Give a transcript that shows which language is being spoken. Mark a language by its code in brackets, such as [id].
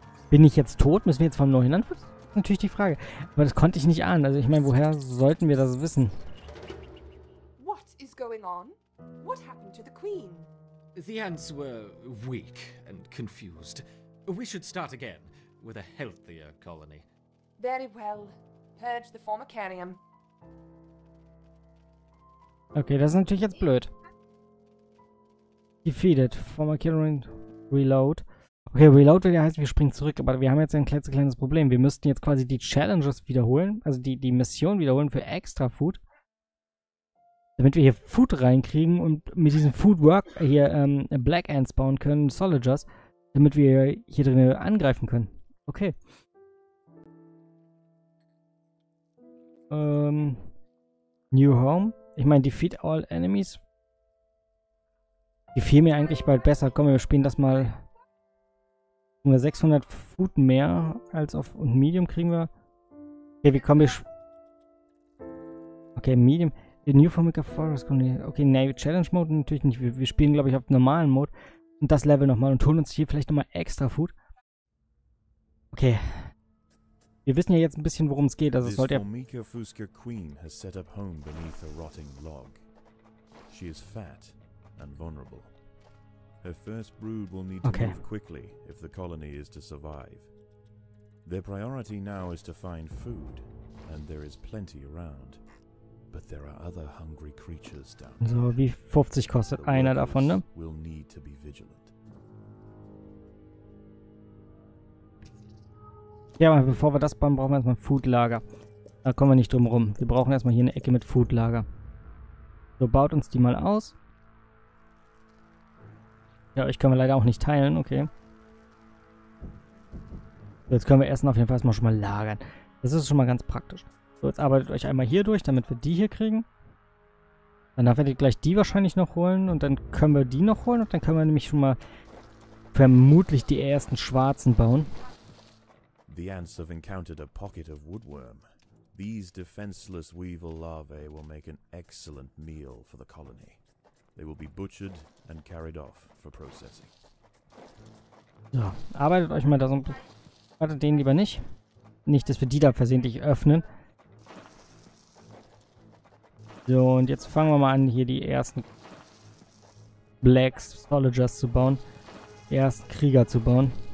[de] Bin ich jetzt tot? Müssen wir jetzt von neuem anfangen? Das ist natürlich die Frage. Aber das konnte ich nicht ahnen. Also ich meine, woher sollten wir das wissen? [en] What is going on? What happened to the Queen? The ants were weak and confused. We should start again with a healthier colony. Very well. Purge the former carrion. [de] Okay, das ist natürlich jetzt blöd. Defeated. Former Killerin. Reload. Okay, Reload will ja heißen, wir springen zurück. Aber wir haben jetzt ein klitzekleines Problem. Wir müssten jetzt quasi die Challenges wiederholen. Also die Mission wiederholen für extra Food. Damit wir hier Food reinkriegen und mit diesem Food Work hier Black Ants bauen können. Soldiers. Damit wir hier drin angreifen können. Okay. New Home. Ich meine, [en] defeat all enemies. [de] Die fiel mir eigentlich bald besser. Komm, wir spielen das mal. Nur 600 Foot mehr als auf. Und Medium kriegen wir. Okay, wie kommen wir. Okay, Medium. The New Formica Forest. Okay, Navy Challenge Mode natürlich nicht. Wir spielen, glaube ich, auf normalen Mode. Und das Level nochmal. Und holen uns hier vielleicht nochmal extra Food. Okay. Wir wissen ja jetzt ein bisschen, worum es geht. Also sollte [en] Formica Fusca Queen has set up home beneath a rotting log. She is fat and vulnerable. Her first brood will need to move quickly if the colony is to survive. Their priority now is to find food, and there is plenty around. But there are other hungry creatures down there. [de] So wie 50 kostet einer davon, ne? [en] Will need to be vigilant. [de] Ja, aber bevor wir das bauen, brauchen wir erstmal ein Foodlager. Da kommen wir nicht drum rum. Wir brauchen erstmal hier eine Ecke mit Foodlager. So, baut uns die mal aus. Ja, euch können wir leider auch nicht teilen, okay. Jetzt können wir erst auf jeden Fall erstmal schon mal lagern. Das ist schon mal ganz praktisch. So, jetzt arbeitet euch einmal hier durch, damit wir die hier kriegen. Dann werdet ihr gleich die wahrscheinlich noch holen. Und dann können wir die noch holen. Und dann können wir nämlich schon mal vermutlich die ersten schwarzen bauen. [en] The ants have encountered a pocket of woodworm. These defenseless weevil larvae will make an excellent meal for the colony. They will be butchered and carried off for processing. [de] So, arbeitet euch mal da so ein bisschen. Warte, den lieber nicht. Nicht, dass wir die da versehentlich öffnen. So, und jetzt fangen wir mal an, hier die ersten Black Soldiers zu bauen. Die ersten Krieger zu bauen.